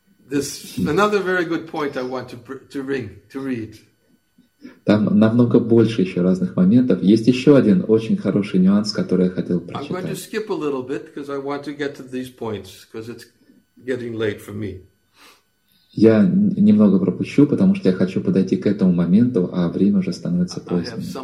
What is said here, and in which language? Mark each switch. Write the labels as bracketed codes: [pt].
[en] This another very good point I want to read. [ru] Там намного больше еще разных моментов. Есть еще один очень хороший нюанс, который я хотел прочитать. [en] I'm going to skip a little bit because I want to get to these points because it's getting late for me. [ru] Я немного пропущу, потому что я хочу подойти к этому моменту, а время уже становится поздним.